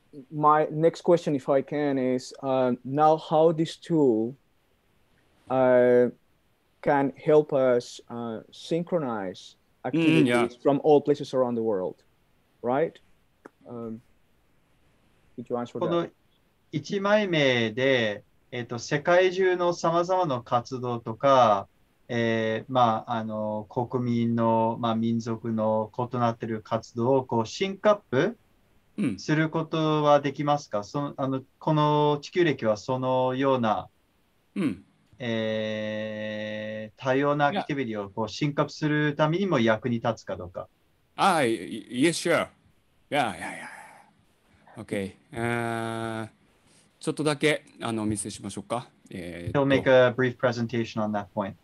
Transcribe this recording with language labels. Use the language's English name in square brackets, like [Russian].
[English] My next question, if I can, is now how this tool can help us synchronize activities from all places around the world, right? Did you answer [Japanese] この1枚目で、世界中のさまざまな活動とか、国民の、民族の異なっている活動をこうシンクアップすることはできますか？この地球歴はそのような、多様なアクティビティをこうシンクアップするためにも役に立つかどうか。 [English] Ah, yes, sure. Yeah, yeah, yeah. Okay. [Japanese] ちょっとだけ見せしましょうか。 [English] He'll make a brief presentation on that point.